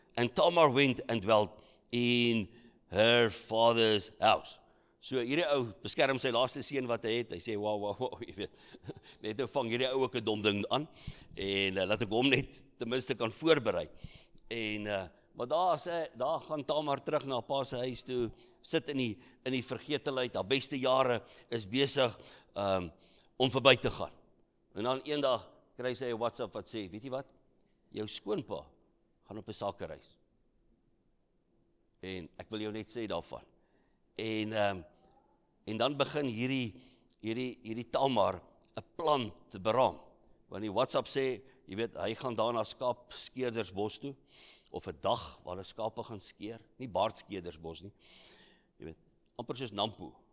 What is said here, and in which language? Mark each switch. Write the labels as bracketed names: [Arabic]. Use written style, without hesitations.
[English] And Tamar went and dwelt in her father's house. [Afrikaans] So hierdie ou beskerm sy laaste seun wat hy het. Hy sê, wow, jy weet, net nou vang hierdie ou ook 'n dom ding aan. En laat ek hom net ten minste kan voorberei. En maar daar gaan Tamar terug na pa se huis toe, sit in die vergetelheid. Haar beste jare is besig om verby te gaan. En dan eendag kry sy 'n WhatsApp wat sê, weet jy wat, jou skoonpa gaan op 'n sakereis. En ek wil jou net sê daarvan. En dan begin hierdie Tamar 'n plan te beraam. Want die WhatsApp sê, jy weet, hy gaan daar na skaapskeerdersbos toe, of 'n dag waar hulle skape gaan skeer, nie baardskeerdersbos nie, jy weet, amper soos Nampo.